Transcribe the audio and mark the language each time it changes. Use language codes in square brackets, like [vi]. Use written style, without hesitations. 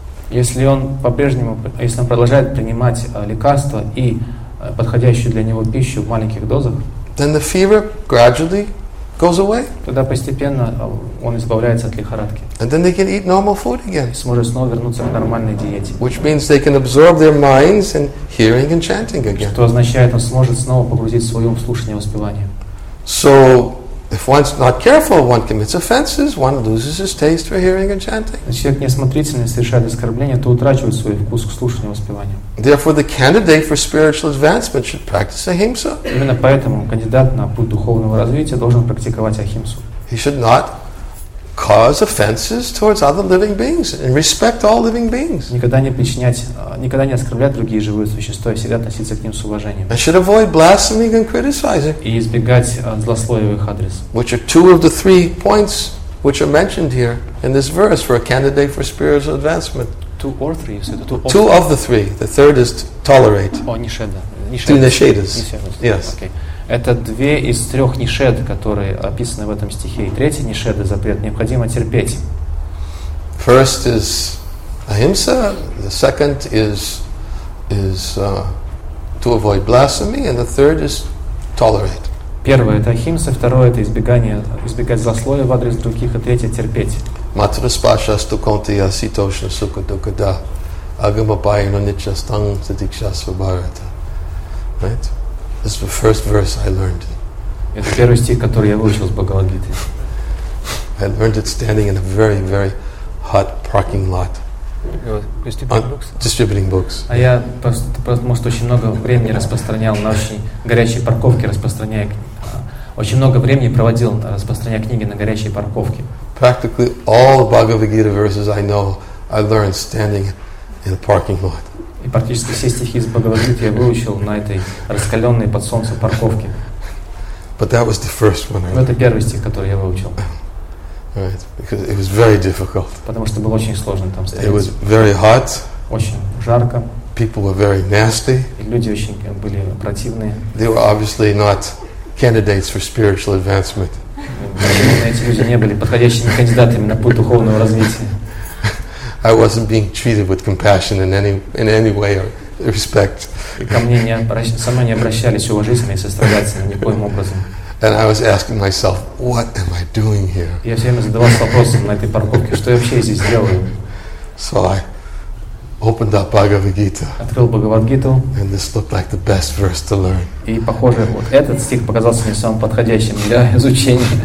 [ru] Если он по-прежнему, если он продолжает принимать лекарства и подходящую для него пищу в маленьких дозах, [en] then the fever gradually goes away. [ru] Тогда постепенно он избавляется от лихорадки. [en] And then they can eat normal food again. [ru] И сможет снова вернуться к нормальной диете. [en] Which means they can absorb their minds and hearing and chanting again. [ru] Что означает, он сможет снова погрузить в свое слушание и воспевание. [en] So, if one's not careful, one commits offenses, one loses his taste for hearing and chanting. [ru] Человек неосмотрительный совершает оскорбление, то утрачивает свой вкус к слушанию и воспеванию. [en] Therefore, the candidate for spiritual advancement should practice ahimsa. [ru] Именно поэтому кандидат на путь духовного развития должен практиковать ахимсу. [en] He should not cause offenses towards other living beings and respect all living beings. [ru] Никогда не причинять, никогда не оскорблять другие живые существа и всегда относиться к ним с уважением. [en] And should avoid blaspheming and criticizing. [ru] И избегать злословивых адрес. [en] Which are two of the three points which are mentioned here in this verse for a candidate for spiritual advancement. Two of the three. The third is tolerate. [ru] О, нишеда. [en] Two нишедас. Yes. Okay. [ru] Это две из трех нишед, которые описаны в этом стихе. И третий нишед – запрет, необходимо терпеть. [en] First is ahimsa, the second is to avoid blasphemy, and the third is tolerate. [ru] Первое – это ахимса, второе – это избегать злословия в адрес других, и третье – терпеть. [sa] Матраспаша стуконте яситошна сука дукада, агамабайна ничастан садикшасвабарата. Right? [en] This is the first verse I learned. [ru] Это первый стих, который я выучил с Бхагавад-гиты. [en] I learned it standing in a very, very hot parking lot. Distributing books. [ru] А я потому что очень много времени распространял на очень горячей парковке, распространяя очень много времени проводил распространяя книги на горячей парковке. [en] Practically all the Bhagavad-gita verses I know, I learned standing in a parking lot. [ru] И практически все стихи из Бхагавад-гиты я выучил на этой раскаленной под солнцем парковке. [en] But that was the first one. [ru] Но это первый стих, который я выучил. [en] Right, because it was very difficult. [ru] Потому что было очень сложно там стоять. [en] It was very hot. [ru] Очень жарко. [en] People were very nasty. [ru] И люди очень были противные. [en] They were obviously not candidates for spiritual advancement. [ru] Эти люди не были подходящими кандидатами на путь духовного развития. [en] I wasn't being treated with compassion in any way or respect. [ru] И ко мне не обращались уважительно и сострадательно никоим образом. [en] And I was asking myself, what am I doing here? [ru] Я все время задавался вопросом на этой парковке, что я вообще здесь делаю? [en] So I opened up Bhagavad-gita. [ru] Открыл Бхагавад-гиту. [en] And this looked like the best verse to learn. [ru] И похоже, вот этот стих показался мне самым подходящим для изучения.